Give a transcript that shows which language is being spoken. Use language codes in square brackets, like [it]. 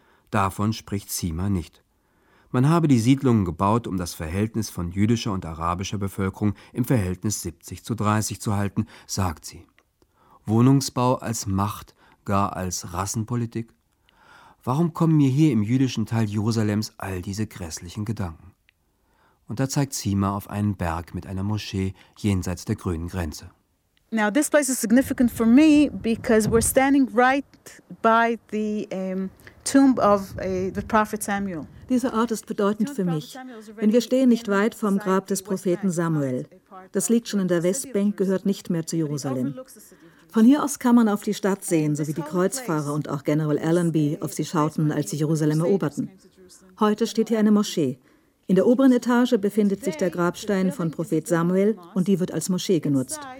[de] Davon spricht Sima nicht. Man habe die Siedlungen gebaut, um das Verhältnis von jüdischer und arabischer Bevölkerung im Verhältnis 70:30 zu halten, sagt sie. Wohnungsbau als Macht, gar als Rassenpolitik? Warum kommen mir hier im jüdischen Teil Jerusalems all diese grässlichen Gedanken? Und da zeigt Sima auf einen Berg mit einer Moschee jenseits der grünen Grenze. [en] Now this place is significant for me because we're standing right by the tomb of the prophet Samuel. [de] Dieser Ort ist bedeutend für mich, denn wir stehen nicht weit vom Grab des Propheten Samuel. Das liegt schon in der Westbank, gehört nicht mehr zu Jerusalem. Von hier aus kann man auf die Stadt sehen, so wie die Kreuzfahrer und auch General Allenby auf sie schauten, als sie Jerusalem eroberten. Heute steht hier eine Moschee. In der oberen Etage befindet sich der Grabstein von Prophet Samuel und die wird als Moschee genutzt.